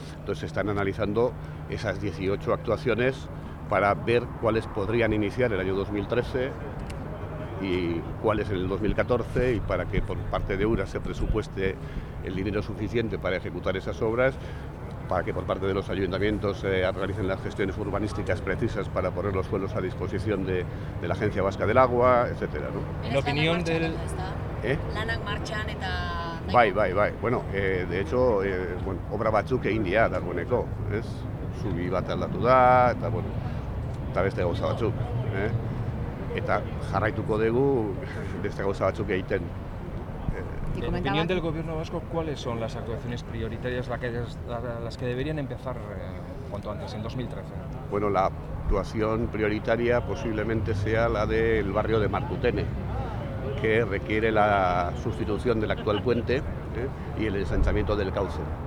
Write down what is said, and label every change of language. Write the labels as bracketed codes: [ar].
[es] Entonces, se están analizando esas 18 actuaciones para ver cuáles podrían iniciar el año 2013 y cuáles en el 2014, y para que por parte de URA se presupueste el dinero suficiente para ejecutar esas obras, para que por parte de los ayuntamientos se realicen las gestiones urbanísticas precisas para poner los suelos a disposición de la Agencia Vasca del Agua, etcétera, ¿no? En opinión del [eu] Lanak marchan eta Bai, bai, bai. [es] Bueno, de hecho, bueno, [eu] obra batzuk egin dira dagoeneko, ez? Zubi bat aldatu da, eta, bueno, eta beste gauza batzuk. Eh? Eta jarraituko dugu beste gauza batzuk egiten. [es] En opinión del gobierno vasco, ¿cuáles son las actuaciones prioritarias las que deberían empezar cuanto antes, en 2013? Bueno, la actuación prioritaria posiblemente sea la del barrio de Martutene, que requiere la sustitución del actual puente y el ensanchamiento del cauce.